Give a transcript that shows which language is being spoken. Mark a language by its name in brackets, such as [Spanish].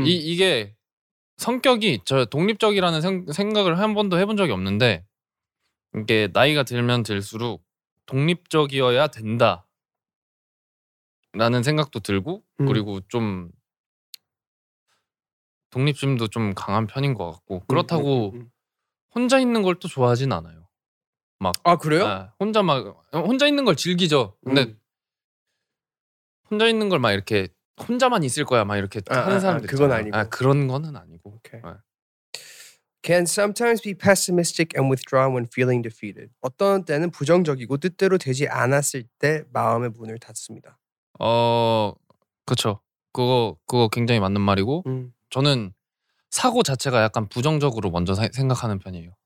[Korean] 이게 성격이 저 독립적이라는 생각을 한 번도 해본 적이 없는데 이게 나이가 들면 들수록 독립적이어야 된다 라는 생각도 들고 그리고 좀 독립심도 좀 강한 편인 것 같고 그렇다고 혼자 있는 걸 또 좋아하진 않아요. 막 아 그래요? 아, 혼자 막 혼자 있는 걸 즐기죠. 근데 혼자 있는 걸 막 이렇게 혼자만 있을 거야 막 이렇게 하는 사람 그건 아니고 아, 그런 거는 아니고. [English] Okay. Can sometimes be pessimistic and withdrawn when feeling defeated. [Korean] 어떤 때는 부정적이고 뜻대로 되지 않았을 때 마음의 문을 닫습니다. 어 그렇죠. 그거 굉장히 맞는 말이고 저는 사고 자체가 약간 부정적으로 먼저 생각하는 편이에요.